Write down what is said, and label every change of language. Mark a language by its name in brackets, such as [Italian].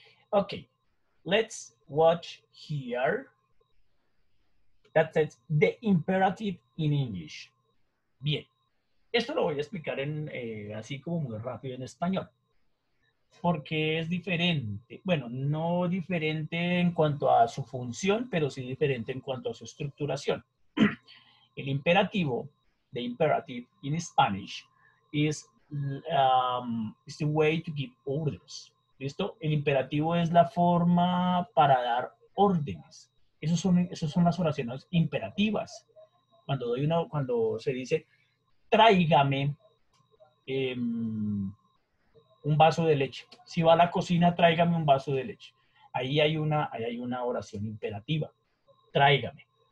[English] Okay, let's watch here. That says the imperative in English. [Spanish] Bien, esto lo voy a explicar en así como muy rápido en español. Porque es diferente. Bueno, no diferente en cuanto a su función, pero sí diferente en cuanto a su estructuración. El imperativo, [English] the imperative in Spanish, is it's the way to give orders. [Spanish] ¿Listo? El imperativo es la forma para dar órdenes. Esas son las oraciones imperativas. Cuando se dice, tráigame un vaso de leche. Si va a la cocina, tráigame un vaso de leche. Ahí hay una oración imperativa. Tráigame.